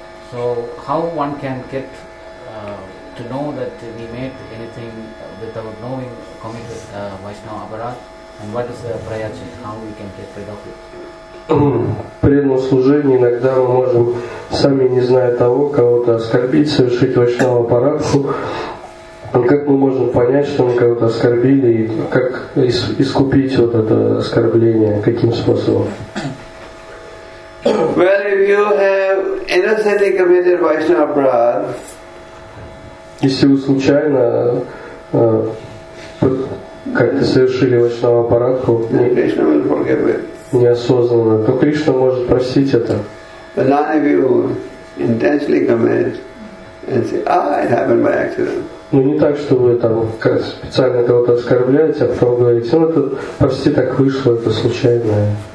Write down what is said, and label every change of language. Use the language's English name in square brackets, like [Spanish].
[English] So, how one can get to know that we made anything without knowing, committed Vaishnava Aparadha? And what is the prayer? How we can get rid of it? [Russian] Преданное служение иногда мы можем сами, не зная того, кого-то оскорбить, совершить Vaishnava Aparadha. Как мы можем понять, что мы кого-то оскорбили, и как искупить вот это оскорбление, каким способом? [English] Well, if you have innocently committed Vaishnava Aparadha, [Russian] если вы случайно как-то совершили Vaishnava Aparadha, неосознанно, то Кришна может простить это. [English] But not if you intentionally commit and say, it happened by accident. [Russian] Ну не так, что вы там специально кого-то оскорбляете, а потом говорите, ну это почти так вышло, это случайное.